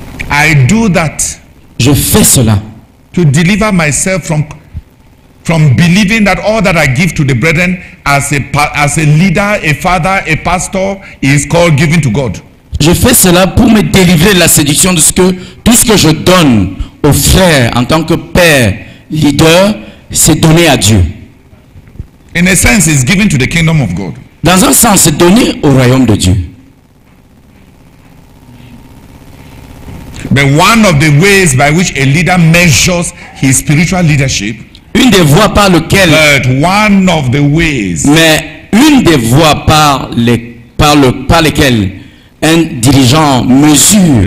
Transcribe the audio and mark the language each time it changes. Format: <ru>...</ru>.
<en>I do that.</en> <fr>Je fais cela.</fr> <en>To deliver myself from believing that all that I give to the brethren as a leader, a father, a pastor is called giving to God.</en> <fr>Je fais cela pour me délivrer de la séduction de ce que tout ce que je donne aux frères en tant que père, leader, c'est donné à Dieu.</fr> <en>In a sense, it's given to the kingdom of God.</en> <fr>Dans un sens, c'est donné au royaume de Dieu.</fr> <en>But one of the ways by which a leader measures his spiritual leadership.</en> <fr>Une des voies par lequel.</fr> <en>But one of the ways.</en> <fr>Mais une des voies par lesquelles un dirigeant mesure.</fr>